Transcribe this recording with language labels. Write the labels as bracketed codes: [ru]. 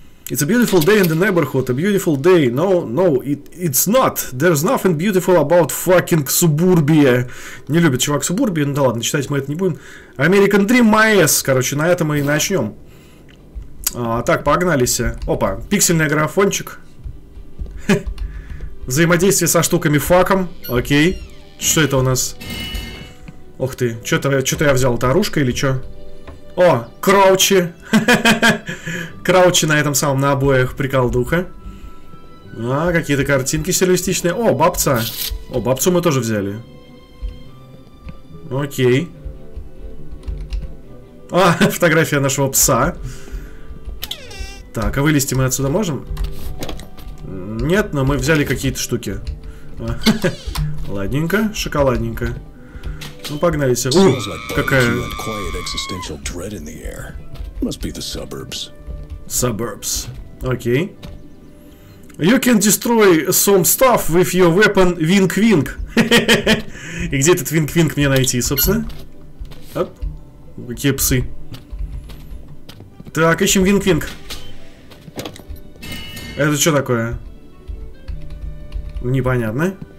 [en] It's a beautiful day in the neighborhood, a beautiful day. No, no, it's not. There's nothing beautiful about fucking suburbia. [ru] Не любит чувак субурбию, ну да ладно, читать мы это не будем. American Dream MS, короче, на этом мы и начнем. Так, погналися. Опа, пиксельный графончик. Взаимодействие со штуками факом. Окей, что это у нас? Ох ты, что-то я взял, это оружка или что? О, краучи. Краучи на этом самом, на обоях, приколдуха. А, какие-то картинки сюрреалистичные. О, бабца. О, бабцу мы тоже взяли. Окей. А, фотография нашего пса. Так, а вылезти мы отсюда можем? Нет, но мы взяли какие-то штуки. Ладненько, шоколадненько. Ну, погналися. У, какая... [en] Must be the suburbs. Suburbs. [ru] Окей. [en] You can destroy some stuff with your weapon, wink-wink. [ru] И где этот [en] wink-wink [ru] мне найти, собственно? Оп. Какие псы. Так, ищем [en] wink-wink. [ru] Это что такое? Непонятно.